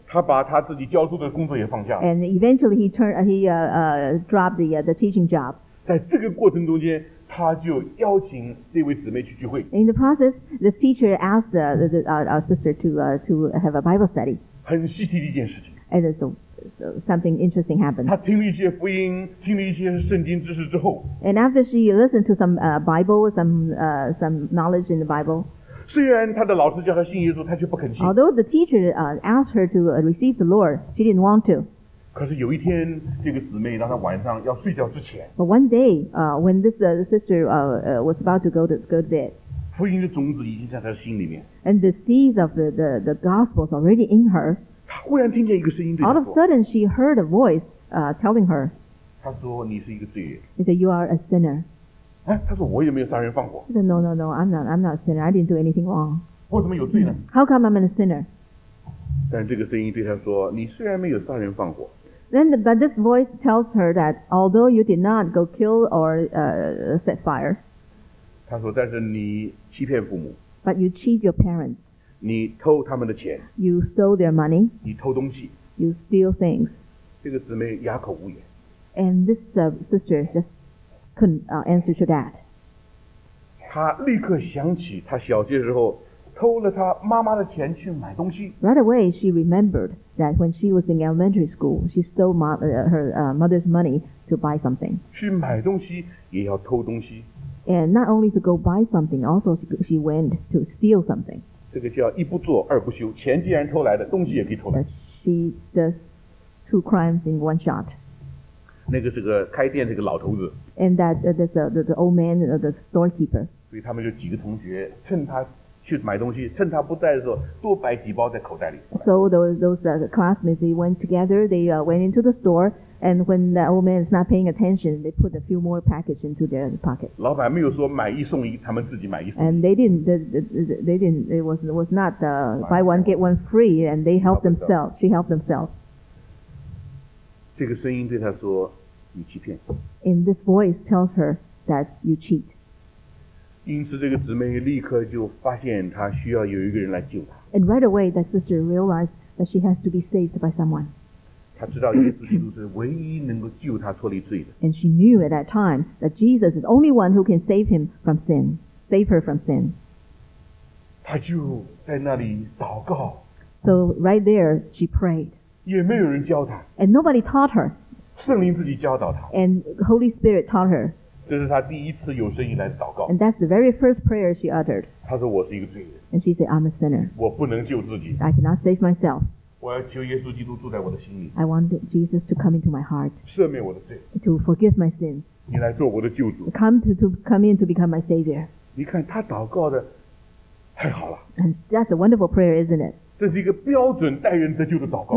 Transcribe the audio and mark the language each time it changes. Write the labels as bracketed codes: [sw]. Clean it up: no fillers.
[zh] 他把他自己教书的工作也放下。 [en] And eventually he dropped the teaching job. [zh] 在这个过程中间，他就邀请这位姊妹去聚会。 [en] In the process, the teacher asked our sister to have a Bible study. [zh] 很稀奇的一件事情。 [en] And So something interesting happened. [zh] 他听了一些福音，听了一些圣经知识之后。 [en] And after she listened to some Bible, some knowledge in the Bible. [zh] 虽然他的老师叫他信耶稣，他却不肯信。 [en] Although the teacher asked her to receive the Lord, she didn't want to. [zh] 可是有一天，这个姊妹让她晚上要睡觉之前。 [en] But one day, when this sister was about to go to bed. [zh] 福音的种子已经在她心里面。 [en] And the seeds of the gospel is already in her. [zh] 她忽然听见一个声音对她说。 [en] All of a sudden, she heard a voice, telling her. [zh] 她说你是一个罪人。 [en] He said, you are a sinner. [zh] 她说我也没有杀人放火。 [en] He said, no, I'm not a sinner. I didn't do anything wrong. [zh] 我怎么有罪呢？ [en] How come I'm a sinner? [zh] 但这个声音对她说，你虽然没有杀人放火。 [en] Then but this voice tells her that although you did not go kill or set fire, [zh] 她说但是你欺骗父母。 [en] But you cheat your parents. [zh] 你偷他们的钱。 [en] You stole their money. [zh] 你偷东西。 [en] You steal things. [zh] 这个姊妹哑口无言。 [en] And this sister just couldn't answer to that. [zh] 她立刻想起她小学时候偷了她妈妈的钱去买东西。 [en] Right away, she remembered that when she was in elementary school, she stole her mother's money to buy something. [zh] 去买东西也要偷东西。 [en] And not only to go buy something, also she went to steal something. [zh] 这个叫一不做二不休，钱既然偷来的，东西也可以偷来。 [en] She does two crimes in one shot. [zh] 那个是个开店的一个老头子。 [en] And that's the old man, the storekeeper. [zh] 所以他们就几个同学趁他去买东西，趁他不在的时候多摆几包在口袋里。 [en] So those classmates, they went together, they went into the store, and when the old man is not paying attention, they put a few more package into their pocket. [zh] 老板没有说买一送一，他们自己买一送一。 [en] And it was not buy one get one free, and they helped themselves. She helped themselves. [zh] 这个声音对他说你欺骗。 [en] And this voice tells her that you cheat. [zh] 因此这个姊妹立刻就发现她需要有一个人来救她。 [en] And right away, that sister realized that she has to be saved by someone. [zh] 她知道耶稣基督是唯一能够救她脱离罪的。 [en] And she knew at that time that Jesus is the only one who can save her from sin. [zh] 她就在那里祷告。 [en] So right there, she prayed. [zh] 也没有人教她。 [en] And nobody taught her. [zh] 圣灵自己教导她。 [en] And Holy Spirit taught her. [zh] 这是他第一次有声音来祷告。 [en] And that's the very first prayer she uttered. [zh] 他说我是一个罪人。 [en] And she said, I'm a sinner. [zh] 我不能救自己。 [en] I cannot save myself. [zh] 我要求耶稣基督住在我的心里。 [en] I want Jesus to come into my heart. [zh] 赦免我的罪。 [en] To forgive my sins. [zh] 你来做我的救主。 [en] Come in to become my savior. [zh] 你看他祷告的太好了。 [en] And that's a wonderful prayer, isn't it? [zh] 这是一个标准待人得救的祷告。